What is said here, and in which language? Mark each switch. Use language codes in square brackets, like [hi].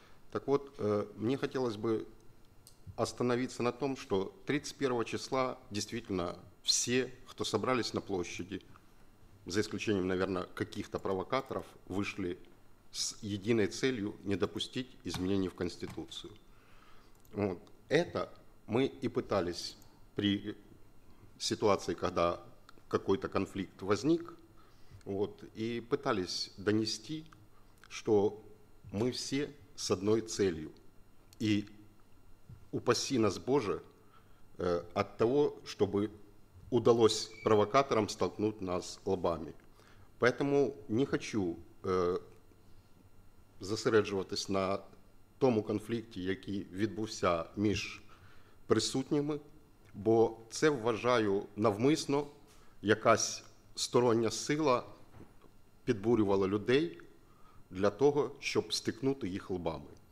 [uk] Так от, мені хотілося б остановитися на тому, що 31 числа дійсно всі, хто зібралися на площі, за ісключенням, мабуть, якихось провокаторів, вийшли з єдиною ціллю не допустити змінення в Конституцію. Це вот. [ru] Ми і пытались при ситуации, когда какой-то конфликт возник, вот, и пытались донести, что мы все с одной целью. И упаси нас, Боже, от того, чтобы удалось провокаторам столкнуть нас лбами. Поэтому не хочу [uk] засереджуватись на тому конфликте, який відбувся між присутніми, бо це вважаю навмисно, якась стороння сила підбурювала людей для того, щоб стикнути їх лбами.